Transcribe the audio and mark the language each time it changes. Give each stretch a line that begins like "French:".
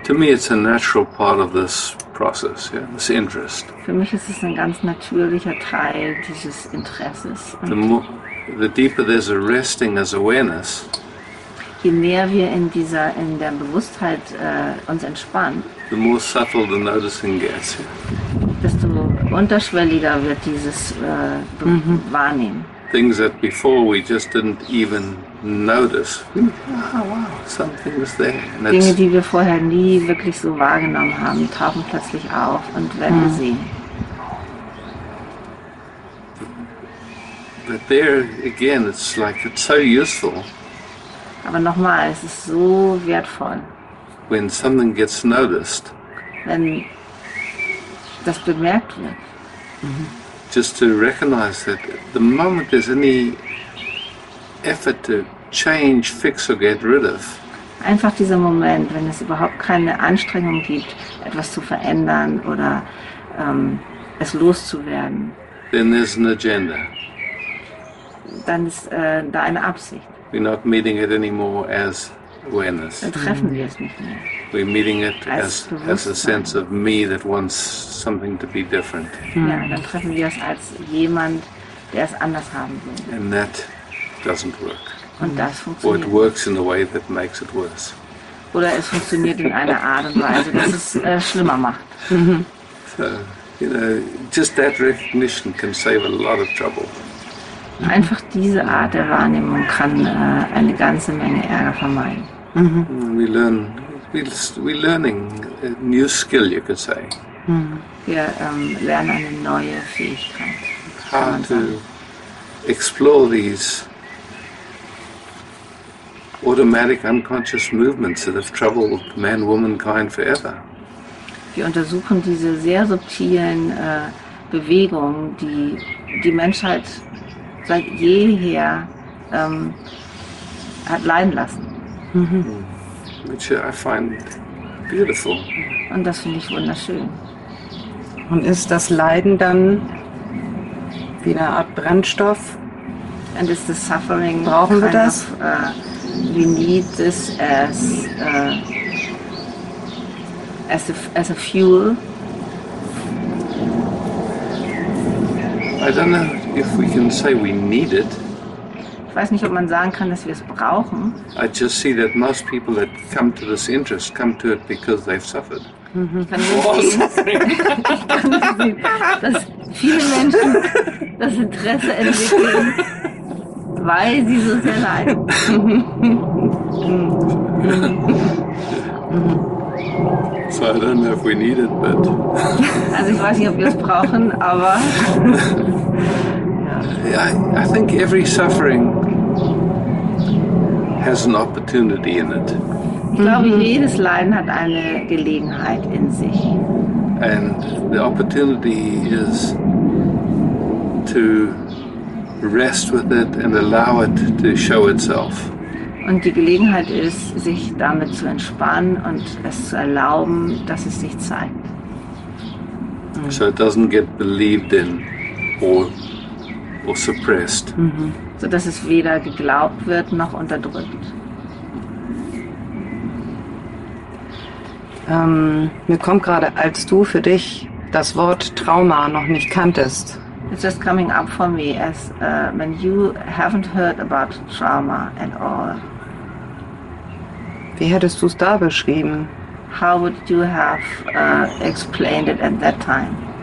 English: To me it's a natural part of this process, yeah, this interest.
German: Für mich ist es ein ganz natürlicher Teil dieses Interesses.
English: The deeper there's a resting as awareness,
German: je mehr wir in der Bewusstheit uns entspannen,
English: the more subtle the noticing gets, yeah,
German: desto unterschwelliger wird dieses Wahrnehmen.
English: Things that before we just didn't even notice. Something was there.
German: And Dinge, die wir vorher nie wirklich so wahrgenommen haben, tauchen plötzlich auf und werden gesehen.
English: But there again, it's like it's so useful.
German: Aber nochmal, es ist so wertvoll.
English: When something gets noticed.
German: Wenn das bemerkt wird.
English: Just to recognize that the moment there's any effort to change, fix or get rid of.
German: Einfach dieser Moment, wenn es überhaupt keine Anstrengung gibt, etwas zu verändern oder es loszuwerden.
English: Then there's an agenda.
German: Dann ist da eine Absicht.
English: We're not meeting it anymore as awareness.
German: Dann treffen wir es nicht mehr.
English: We're meeting it as a sense of me that wants something to be different.
German: Ja, dann treffen wir es als jemand, der es anders haben will.
English: And that doesn't work.
German: Und das funktioniert.
English: Or it works in a way that makes it worse.
German: Oder es funktioniert in einer Art und Weise, dass es schlimmer macht.
English: So, you know, just that recognition can save a lot of trouble.
German: Einfach diese Art der Wahrnehmung kann eine ganze Menge Ärger vermeiden.
English: We're learning a new skill, you could say.
German: Wir lernen eine neue Fähigkeit.
English: How to explore these automatic unconscious movements that have troubled man, womankind forever.
German: Wir untersuchen diese sehr subtilen Bewegungen, die Menschheit seit jeher hat leiden lassen.
English: Which I find Beautiful.
German: Und das finde ich wunderschön. Und ist das Leiden dann wie eine Art Brennstoff?
English: And is the suffering
German: brauchen wir das?
English: We need this as as a fuel. I don't know if we can say we need it.
German: Ich weiß nicht, ob man sagen kann, dass wir es brauchen.
English: I just see that most people that come to this interest come to it because they've suffered.
German: Dass viele Menschen das Interesse entwickeln, weil sie so sehr leiden.
English: So I don't know if we need it, but...
German: Also ich weiß nicht, ob wir es brauchen, aber...
English: I think every suffering has an opportunity in it.
German: Ich glaube, jedes Leiden hat eine Gelegenheit in sich.
English: And the opportunity is to rest with it and allow it to show itself.
German: Und die Gelegenheit ist, sich damit zu entspannen und es zu erlauben, dass es sich zeigt.
English: So it doesn't get believed in or suppressed.
German: So dass es weder geglaubt wird noch unterdrückt. Mir kommt gerade, als du für dich das Wort Trauma noch nicht kanntest.
English: It's just coming up for me as when you haven't heard about trauma at all.
German: Wie hättest du es da beschrieben?
English: How would you have explained it at that time?